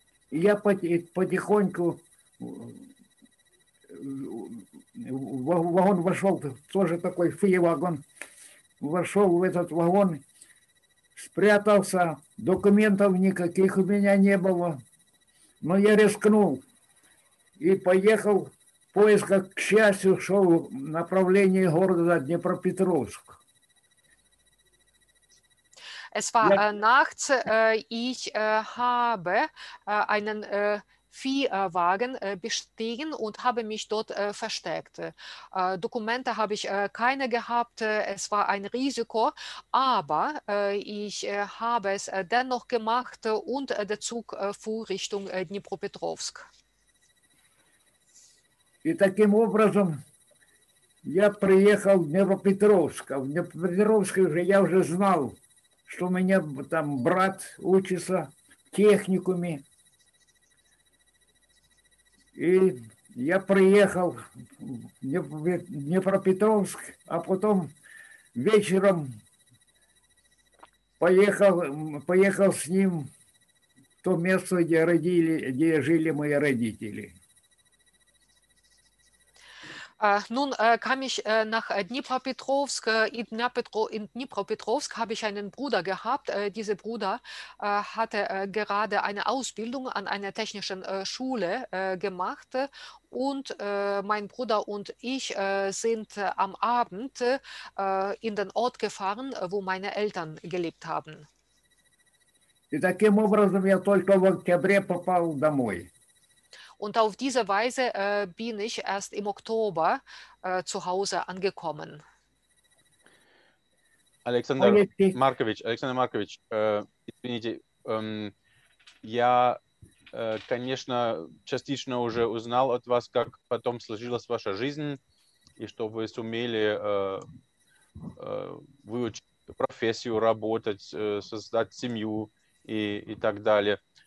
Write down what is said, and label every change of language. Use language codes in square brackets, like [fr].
[ru] Я потихоньку в вагон вошел, тоже такой фи-вагон, вошел в этот вагон, спрятался, документов никаких у меня не было. Но я рискнул и поехал в поисках, к счастью, шел в направлении города Днепропетровск. [de] Es war nachts, ich habe einen Viehwagen bestiegen und habe mich dort versteckt. Dokumente habe ich keine gehabt, es war ein Risiko, aber ich habe es dennoch gemacht und der Zug fuhr Richtung Dnipropetrovsk. [ru] И таким образом я приехал в Днепропетровск, а в Днепропетровске я уже знал, что у меня там брат учится в техникуме. И я приехал в Днепропетровск, а потом вечером поехал с ним в то место, где жили мои родители. [de] Nun kam ich nach Dnipropetrovsk. In Dnipropetrovsk habe ich einen Bruder gehabt. Dieser Bruder hatte gerade eine Ausbildung an einer technischen Schule gemacht. Und mein Bruder und ich sind am Abend in den Ort gefahren, wo meine Eltern gelebt haben. Und so bin ich erst im Oktober nach Hause. Und auf diese Weise bin ich erst im Oktober zu Hause angekommen. [ru] Александр Маркович, извините, я, конечно, частично уже узнал от вас, как потом сложилась ваша жизнь, и что вы сумели выучить профессию, работать, создать семью и так далее.